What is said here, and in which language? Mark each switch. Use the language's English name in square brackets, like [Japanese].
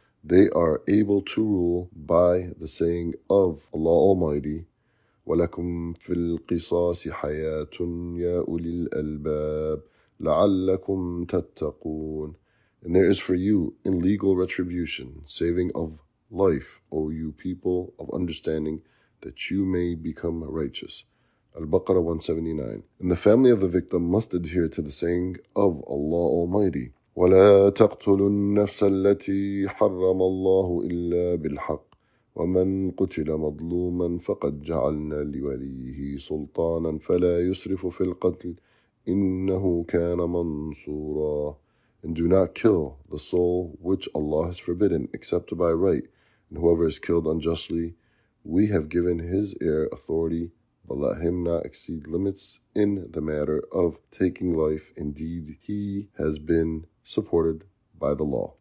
[English] They are able to rule by the saying of Allah Almighty, [Arabic] وَلَكُمْ فِي الْقِصَاصِ حَيَاةٌ يَا أُولِي الْأَلْبَابِ لَعَلَّكُمْ تَتَّقُونَ. [English] And there is for you in legal retribution, saving of life, O you people of understanding, that you may become righteous. Al-Baqarah 179. And the family of the victim must adhere to the saying of Allah Almighty, [Arabic] وَلَا تَقْتُلُوا النَّفْسَ الَّتِي حَرَّمَ اللَّهُ إِلَّا بِالْحَقِّ وَمَنْ قُتِلَ مَظْلُومًا فَقَدْ جَعَلْنَا لِوَلِيهِ سُلْطَانًا فَلَا يُسْرِفُ فِي الْقَتْلِ إِنَّهُ كَانَ مَنْصُورًا. [English] And do not kill the soul which Allah has forbidden, except by right. And whoever is killed unjustly, we have given his heir authority, but let him not exceed limits in the matter of taking life. Indeed, he has been supported by the law.